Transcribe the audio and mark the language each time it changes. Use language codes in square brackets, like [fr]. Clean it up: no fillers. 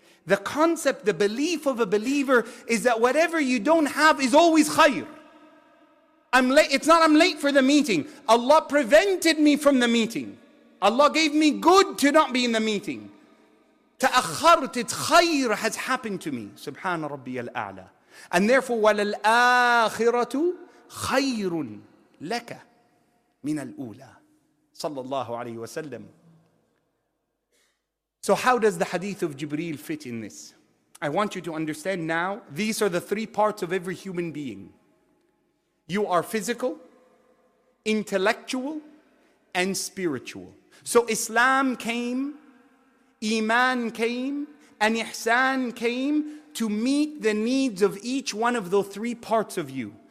[en] The concept, the belief of a believer is that whatever you don't have is always khayr. I'm late. It's not I'm late for the meeting. Allah prevented me from the meeting. Allah gave me good to not be in the meeting. تأخرت, it's khayr has happened to me. [ar] سبحان ربي الأعلى. [en] And therefore, [ar] وللآخرة خير لك من الأولى. صلى الله عليه وسلم. [en] So how does the hadith of Jibreel fit in this? I want you to understand now, these are the three parts of every human being. You are physical, intellectual, and spiritual. So Islam came, Iman came, and Ihsan came to meet the needs of each one of those three parts of you.